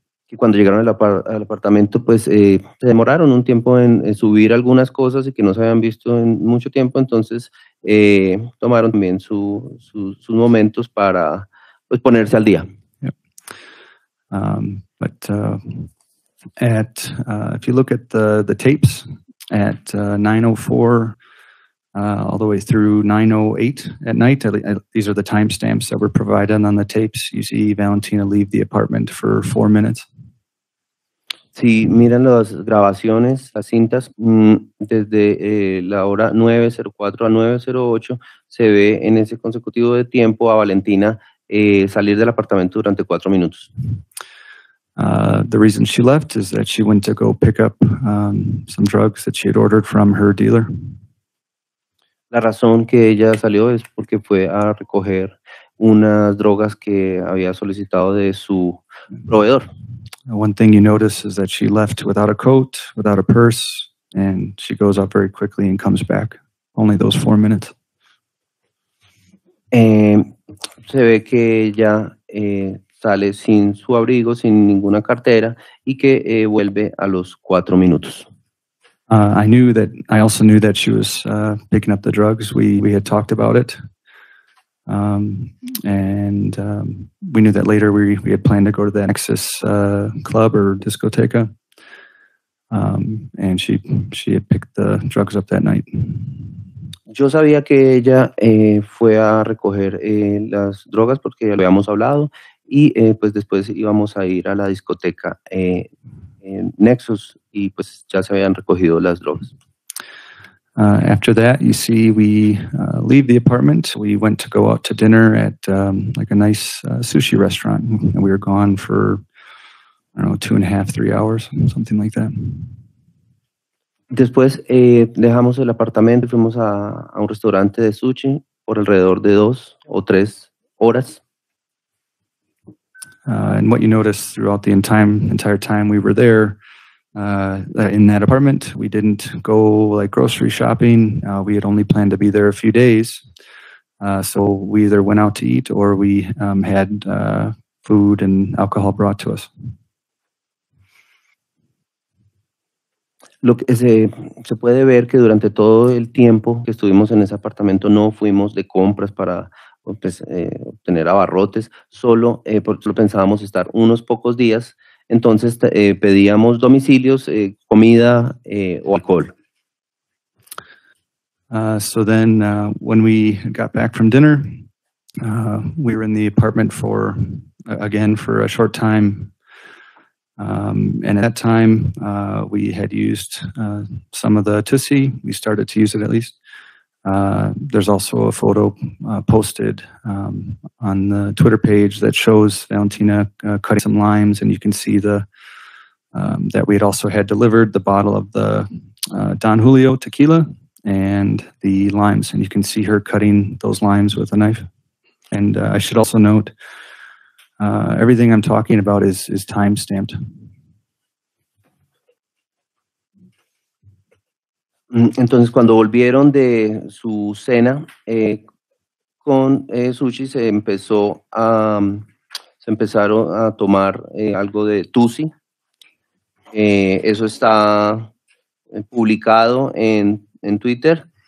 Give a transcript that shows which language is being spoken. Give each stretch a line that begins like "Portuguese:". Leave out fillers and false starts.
Spanish: Y cuando llegaron al apartamento, pues se demoraron un tiempo en subir algunas cosas y que no se habían visto en mucho tiempo, entonces tomaron también sus momentos para pues ponerse al día.
English: But at if you look at the tapes at 9:04 all the way through 9:08 at night, these are the timestamps that were provided on the tapes. You see Valentina leave the apartment for 4 minutes.
Spanish: Si miran las grabaciones, las cintas, desde la hora 9:04 a 9:08 se ve en ese consecutivo de tiempo a Valentina salir del apartamento durante 4 minutos.
English: The reason she left is that she went to go pick up some drugs that she had ordered from her dealer.
Spanish: La razón que ella salió es porque fue a recoger unas drogas que había solicitado de su proveedor.
English: One thing you notice is that she left without a coat, without a purse, and she goes up very quickly and comes back. Only those 4 minutes.
Spanish: Se ve que ella sale sin su abrigo, sin ninguna cartera, y que vuelve a los 4 minutos.
English: I also knew that she was picking up the drugs. We had talked about it. We knew that later we had planned to go to the Nexus club or discoteca. She had picked the drugs up that night.
Spanish: Yo sabía que ella fue a recoger las drogas porque ya lo habíamos hablado. Y pues después íbamos a ir a la discoteca Nexus y pues ya se habían recogido las drogas.
English: After that, you see, we leave the apartment. We went to go out to dinner at like a nice sushi restaurant. And we were gone for, I don't know, 2.5-3 hours, something like that.
Spanish: Después dejamos el apartamento y fuimos a un restaurante de sushi por alrededor de 2 o 3 horas.
English: And what you notice throughout the entire time we were there, in that apartment, we didn't go like grocery shopping. We had only planned to be there a few days. So we either went out to eat or we had food and alcohol brought to us.
Spanish: Look, se puede ver que durante todo el tiempo que estuvimos en ese apartamento no fuimos de compras para pues, obtener abarrotes, solo pensábamos estar unos pocos días, entonces pedíamos domicilios, comida o alcohol.
English: So then when we got back from dinner, we were in the apartment for, again, for a short time. And at that time, we had used some of the Tussie, we started to use it at least. There's also a photo posted on the Twitter page that shows Valentina cutting some limes, and you can see the that we had also had delivered the bottle of the Don Julio tequila and the limes, and you can see her cutting those limes with a knife. And I should also note, everything I'm talking about is time stamped.
Spanish: Entonces, cuando volvieron de su cena con sushi, se empezaron a tomar algo de Tussie. Eso está publicado en Twitter.